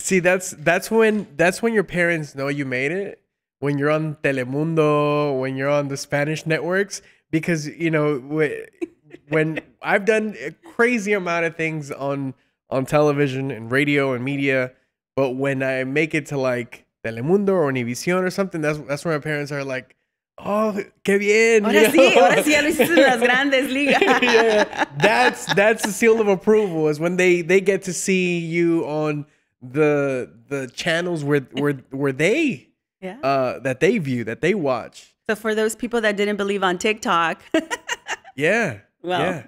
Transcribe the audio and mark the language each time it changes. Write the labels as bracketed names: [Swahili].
[English] See, that's when your parents know you made it, when you're on Telemundo, when you're on the Spanish networks, because, you know, when I've done a crazy amount of things on television and radio and media, but when I make it to like Telemundo or Univision or something, that's where my parents are like, [Spanish] oh, qué bien. Ahora sí, ahora sí, ya lo hiciste en las grandes ligas. [English] That's the seal of approval, is when they get to see you on the channels where they, yeah, that they view, that they watch. So for those people that didn't believe on TikTok, yeah, well, yeah,